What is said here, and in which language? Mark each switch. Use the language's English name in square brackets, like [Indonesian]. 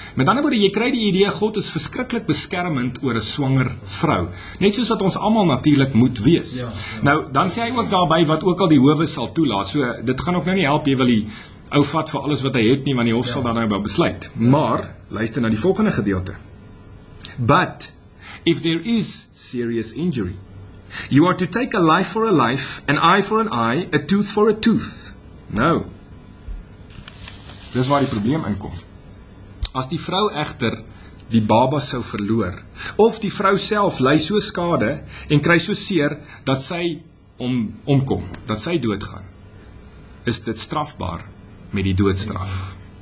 [Afrikaans] Met ander woorde, jy kry die idee, God is verskriklik beskermend oor 'n swanger vrou. Net soos wat ons almal natuurlik moet wees. Ja, ja. Nou, dan sê hy ook daarby, wat ook al die howe sal toelaat, so, dit gaan ook nou nie help, jy wil die ou vat vir alles wat hy het nie, want die hof sal dan nou wel besluit. Maar, luister na die volgende gedeelte. [English] But, if there is serious injury, you are to take a life for a life, an eye for an eye, a tooth for a tooth. [Afrikaans] Nou, dis waar die probleem inkom. As die vrou egter die baba sou verloor, of die vrou self ly so skade en kry so seer, dat sy om omkom, dat sy doodgaan, is dit strafbaar met die doodstraf.